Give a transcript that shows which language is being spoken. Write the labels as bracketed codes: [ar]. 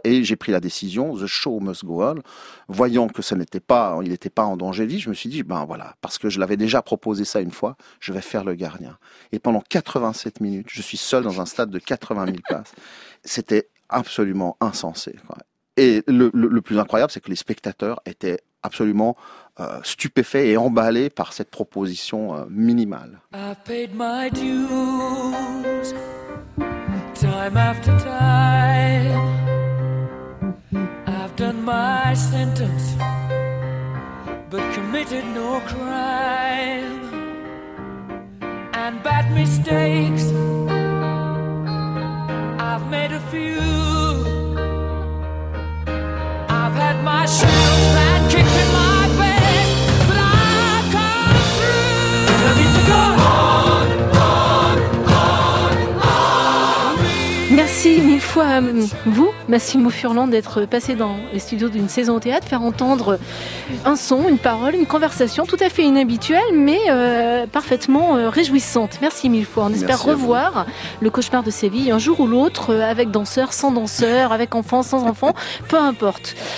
[fr] Et j'ai pris la décision, [en] the show must go on. [fr] Voyant que ce n'était pas, il n'était pas en danger de vie, je me suis dit, ben voilà, parce que je l'avais déjà proposé ça une fois, je vais faire le gardien. Et pendant 87 minutes, je suis seul dans un stade de 80 000 places. C'était absolument insensé, quoi. Et le plus incroyable, c'est que les spectateurs étaient absolument stupéfaits et emballés par cette proposition minimale. [en] I've paid my dues time after time. I've done my sentence but committed no crime. And bad mistakes I've made a few. I've had my shouts and kicks in my face, but I've come through. And I need to go on, on, on, on. [fr] Merci mille fois à vous, Massimo Furlan, d'être passé dans les studios d'une saison au théâtre, faire entendre un son, une parole, une conversation tout à fait inhabituelle, mais parfaitement réjouissante. Merci mille fois. On espère revoir le cauchemar de Séville un jour ou l'autre, avec danseurs, sans danseurs, avec enfants, sans enfants, peu importe.